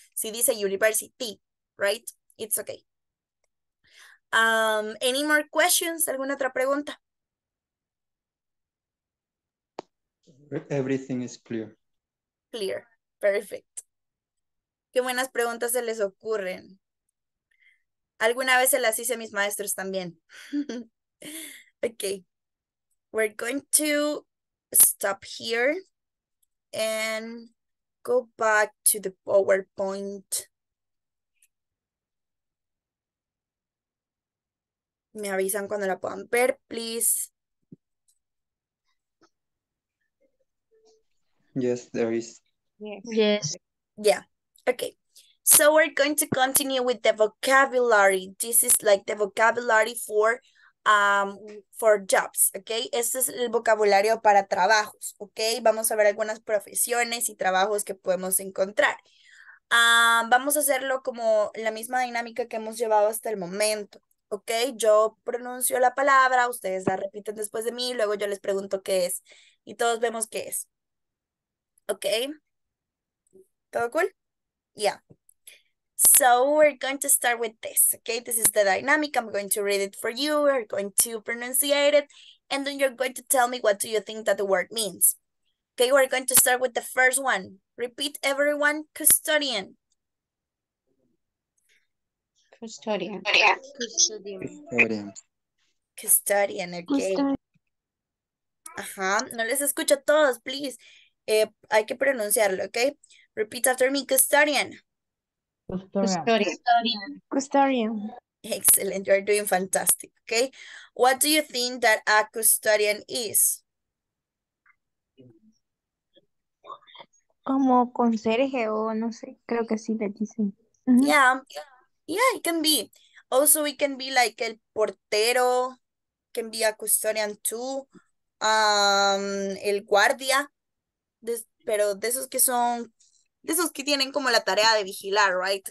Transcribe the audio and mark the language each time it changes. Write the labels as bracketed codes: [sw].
[es] Si dice [en] university, right? It's okay. Any more questions? [es] ¿Alguna otra pregunta? [en] Everything is clear. Clear. Perfect. [es] Qué buenas preguntas se les ocurren. Alguna vez se las hice a mis maestros también. [en] Okay, we're going to stop here and go back to the PowerPoint. [es] Me avisan cuando la puedan ver, [en] please. Yes, there is. Yes. Yeah, okay. So we're going to continue with the vocabulary. This is like the vocabulary for. For jobs, ¿ok? [es] Este es el vocabulario para trabajos, ¿ok? Vamos a ver algunas profesiones y trabajos que podemos encontrar. Vamos a hacerlo como la misma dinámica que hemos llevado hasta el momento, ¿ok? Yo pronuncio la palabra, ustedes la repiten después de mí, luego yo les pregunto qué es y todos vemos qué es, ¿ok? ¿Todo cool? Yeah. [en] So we're going to start with this, okay? This is the dynamic. I'm going to read it for you. We're going to pronunciate it, and then you're going to tell me what do you think that the word means. Okay, we're going to start with the first one. Repeat, everyone. Custodian. Custodian. Yeah. Custodian. Custodian, okay. Custodian. [es] Ajá. No les escucho a todos, [en] please. [es] Hay que pronunciarlo, okay? [en] Repeat after me, custodian. Custodian. Custodian. Custodian. Excellent, you're doing fantastic. Okay, what do you think that a custodian is? [es] Como conserje o no sé, creo que sí le dicen. [en] Yeah, it can be. Also, it can be like [es] el portero, [en] can be a custodian too, [es] el guardia, pero de esos que son, de esos que tienen como la tarea de vigilar, right?